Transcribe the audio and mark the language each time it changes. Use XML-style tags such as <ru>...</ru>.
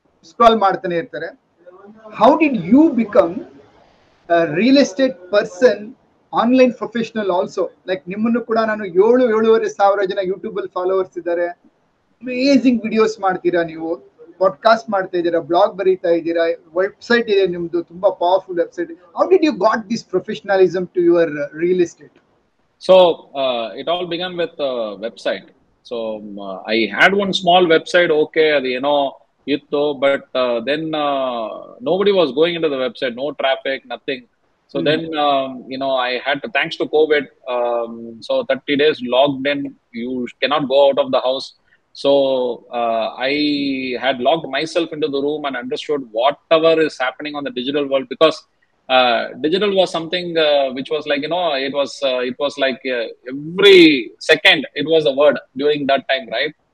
<kn>scroll martane irthare</kn> <en>how did you become a real estate person</en> <kn>online professional also like ನಿಮ್ಮನ್ನು ಕೂಡ ನಾನು 7.5 ಜನ YouTube ಅಲ್ಲಿ followers ಇದ್ದಾರೆ ಅಮೇಝಿಂಗ್ ವಿಡಿಯೋಸ್ ಮಾಡ್ತೀರಾ ನೀವು ಪಾಡ್ಕಾಸ್ಟ್ ಮಾಡ್ತಾ ಇದ್ದೀರಾ ಬ್ಲಾಗ್ ಬರೀತಾ ಇದ್ದೀರಾ ವೆಬ್ಸೈಟ್ ಇದೆ ನಿಮ್ದು ತುಂಬಾ powerful website</kn> <en>how did you got this professionalism to your real estate so it all began with website so I had one small website okay</en> <kn>ಅದು ಏನೋ ಇತ್ತು</kn> <en>But then nobody was going into the website no traffic nothing. So then, you know, I had to, thanks to COVID, so 30 days locked in, you cannot go out of the house. So I had locked myself into the room and understood whatever is happening on the digital world because digital was something which was like, you know, it was like every second it was a word during that time, right?</en>